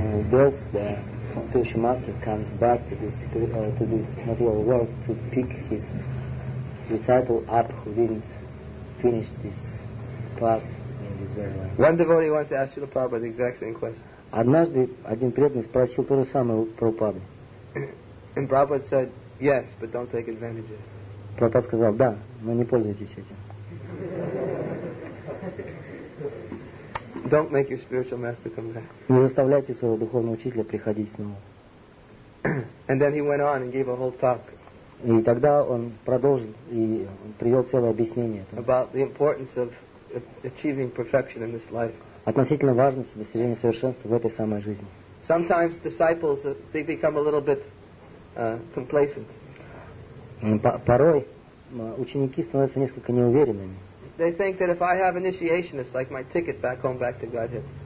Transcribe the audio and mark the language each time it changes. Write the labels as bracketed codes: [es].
[en] Does the spiritual master comes back to this material world to pick his disciple up who didn't finish this path in this very life? One devotee wants to ask Srila Prabhupada the exact same question. [ru] Однажды один преданный спросил то же самое у Прабхупады. [en] And Prabhupada said, yes, but don't take advantage of it. [ru] Prabhupada сказал, да, но не пользуйтесь этим. [en] Don't make your spiritual master come back. [ru] Не заставляйте своего духовного учителя приходить снова. [en] And then he went on and gave a whole talk. [ru] И тогда он продолжил и привел целое объяснение. [en] About the importance of achieving perfection in this life. [ru] Относительно важности достижения совершенства в этой самой жизни. [en] Sometimes disciples, they become a little bit complacent. [ru] Порой ученики становятся несколько неуверенными. [en] they think that if I have initiation, it's like my ticket back home, back to Godhead.